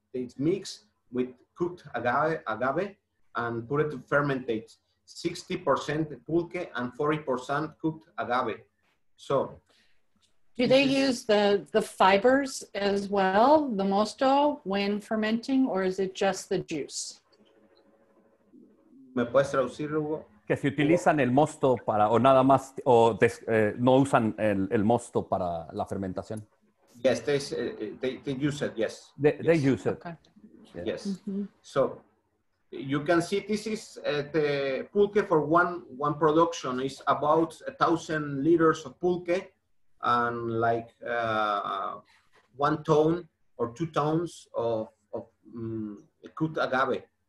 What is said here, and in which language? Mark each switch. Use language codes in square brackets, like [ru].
[en] It's mixed with cooked agave and put it to fermentate. 60% pulque and 40% cooked agave. So. Do they use the fibers as well, the mosto, when fermenting, or is it just the juice? [es] ¿Me puedes traducir, Hugo? Que si utilizan el mosto para, o nada más, o des, no usan el mosto para la fermentación. [en] Yes, they use it, yes. They use it. Okay. Yes. Mm-hmm. So, you can see this is the pulque for one production is about 1,000 liters of pulque and like 1 ton or 2 tons of cut agave.